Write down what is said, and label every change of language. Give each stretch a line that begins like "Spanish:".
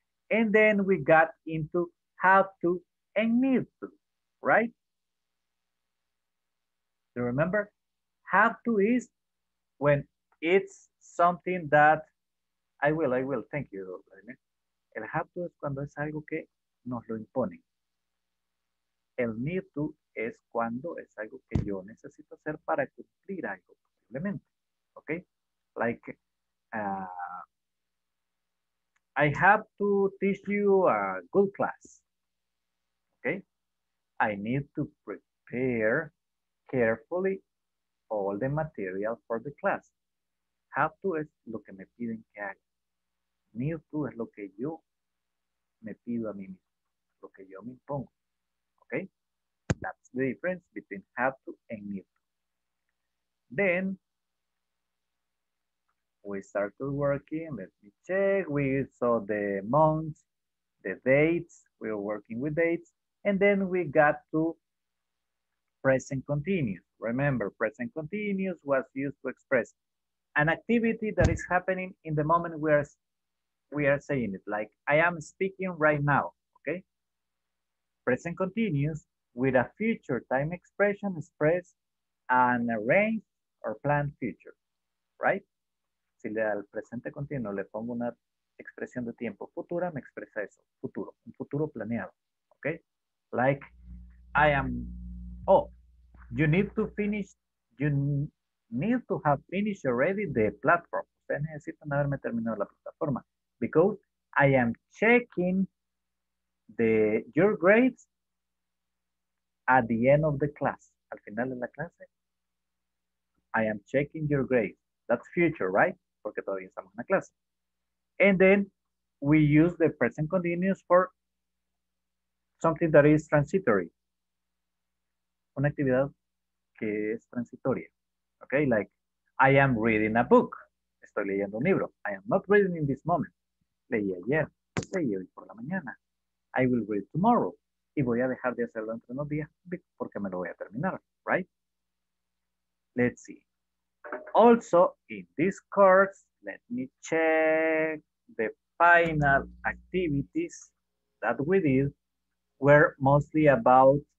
English: And then we got into have to and need to, right? Do you remember? Have to is when it's something that I will. Thank you.
Spanish: El have to es cuando es algo que nos lo imponen. El need to es cuando es algo que yo necesito hacer para cumplir algo, posiblemente.
English: Okay? Like, I have to teach you a good class. Okay? I need to prepare carefully all the material for the class.
Spanish: Have to es lo que me piden que haga. Need to es lo que yo me pido a mí mismo, lo que yo me impongo.
English: Okay? That's the difference between have to and need to. Then we started working. Let me check. We saw the months, the dates. We were working with dates. And then we got to present continuous. Remember, present continuous was used to express an activity that is happening in the moment we are saying it. Like, I am speaking right now. Okay? Present continuous with a future time expression express an arranged or planned future, right?
Spanish: Si le al presente continuo le pongo una expresión de tiempo futura, me expresa eso, futuro, un futuro planeado, okay?
English: Like, I am, oh, you need to have finished already the platform.
Spanish: Ustedes necesitan haberme terminado la plataforma
English: because I am checking your grades at the end of the class,
Spanish: al final de la clase.
English: I am checking your grade. That's future, right?
Spanish: Porque todavía estamos en la clase.
English: And then we use the present continuous for something that is transitory.
Spanish: Una actividad que es transitoria.
English: Okay, like I am reading a book.
Spanish: Estoy leyendo un libro.
English: I am not reading in this moment.
Spanish: Leí ayer. Leí hoy por la mañana.
English: I will read tomorrow.
Spanish: Y voy a dejar de hacerlo entre unos días porque me lo voy a terminar, right?
English: Let's see. Also, in this course, let me check the final activities that we did were mostly about...